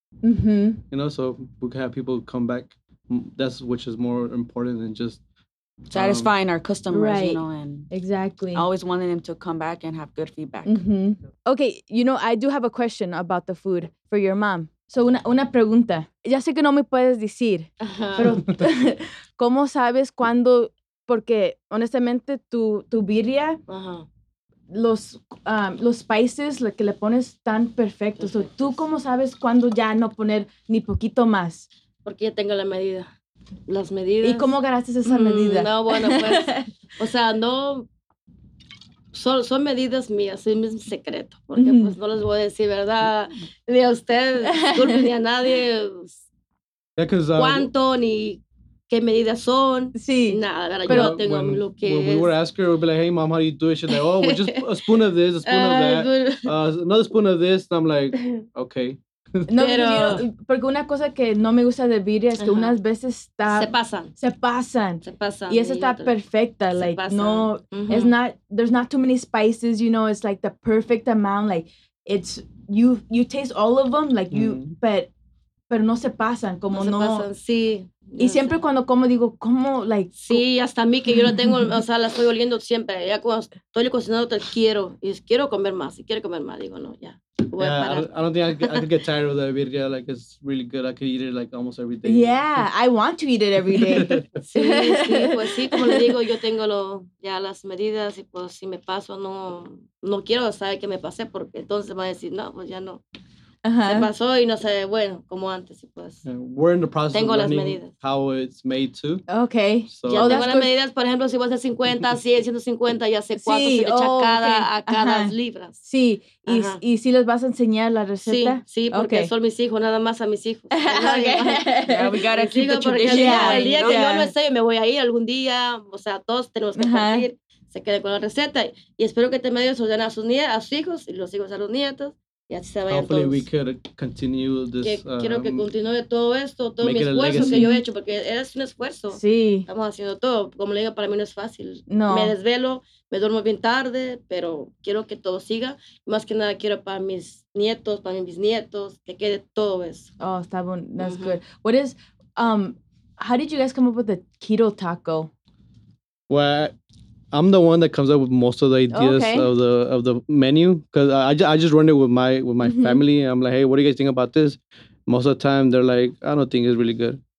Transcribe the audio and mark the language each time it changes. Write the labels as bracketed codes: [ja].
[en] mm-hmm. you know, so we can have people come back. That's which is more important than just satisfying our customers, right. You know, and exactly always wanting them to come back and have good feedback mm-hmm. Okay, you know, I do have a question about the food for your mom. [es] So, una pregunta. Ya sé que no me puedes decir, pero ¿cómo sabes cuándo? Porque, honestamente, tu birria, los spices que le pones tan perfectos. Perfecto. So, ¿tú cómo sabes cuándo ya no poner ni poquito más? Porque ya tengo la medida. Las medidas. ¿Y cómo ganaste esa medida? No, bueno, pues, o sea, no... Son medidas mías, es mi secreto, porque pues no les voy a decir, ¿verdad? Ni a usted, disculpen, ni a nadie, [en] yeah, [es] cuánto, ni qué medidas son. Sí. Nada, pero yo tengo [en] when, [es] lo que [en] when [es] es. [en] We were asking her, we'd be like, hey, mom, how do you do it? She's like, oh, well, just a spoon of this, a spoon of that. Another spoon of this. And I'm like, okay. [es] No, pero, porque una cosa que no me gusta de birria es que unas veces está se pasan y esa está perfecta, [en] like no it's not, there's not too many spices, you know, it's like the perfect amount, like it's you taste all of them, like you [es] pero no se pasan, como no, se pasan. Sí. Y siempre cuando como digo, ¿cómo? Like, sí, hasta a mí que yo la tengo, o sea, la estoy oliendo siempre. Ya cuando estoy cocinando, te quiero. Y es, quiero comer más. Y quiero comer más. Digo, no, ya. [en] Yeah, I don't think I could get tired of that birria. Like, it's really good. I could eat it, like, almost every day. Yeah, I want to eat it every day. [es] Sí, sí, pues sí, como le digo, yo tengo lo, ya las medidas. Y pues si me paso, no quiero saber que me pasé. Porque entonces va a decir, no, pues ya no. Uh-huh. Se pasó y no sé, bueno, como antes, pues. [en] Yeah, we're in the process [es] tengo [en] of learning [es] las [en] how it's made too. Okay. [es] So, ya tengo las medidas, por ejemplo, si vos haces 50, 100, 150, ya sé cuánto sí, se le echa cada, [en] okay. [es] A cada libras. Sí, y si les vas a enseñar la receta. Sí, porque okay. Son mis hijos, nada más a mis hijos. [en] Okay. Yeah, we gotta keep the tradition. [es] Porque el día que yo no sé, me voy a ir algún día, o sea, todos tenemos que partir, se quede con la receta y espero que te medio se ordenen a sus hijos y los hijos a los nietos. [en] Hopefully we could continue this. [es] Quiero que continúe todo esto, todo mi esfuerzo que yo he hecho, porque es un esfuerzo. Sí. Estamos haciendo todo. Como le digo, para mí no es fácil. No. Me desvelo, me duermo bien tarde, pero quiero que todo siga. Más que nada quiero para mis nietos, para mis bisnietos, que quede todo eso. Oh, está bueno. [en] That's good. What is, how did you guys come up with the keto taco? Well, I'm the one that comes up with most of the ideas of the menu, because I just run it with my family. I'm like, hey, what do you guys think about this? Most of the time, they're like, I don't think it's really good.